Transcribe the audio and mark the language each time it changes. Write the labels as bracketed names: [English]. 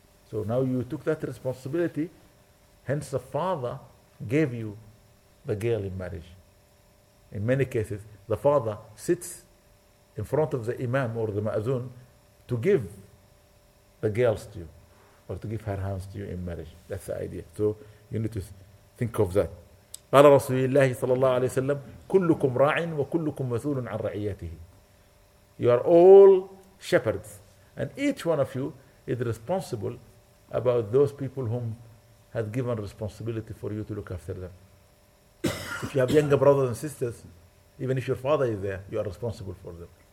[English] So now you took that responsibility, hence the father gave you the girl in marriage. In many cases, the father sits in front of the imam or the ma'azun to give the girls to you, or to give her hands to you in marriage. That's the idea. So you need to think of that. [Arabic] قال رسول الله صلى الله عليه وسلم كلكم راع وكلكم مسؤول عن رعيته. [English] You are all shepherds, and each one of you is responsible about those people whom has given responsibility for you to look after them. If you have younger brothers and sisters, even if your father is there, you are responsible for them.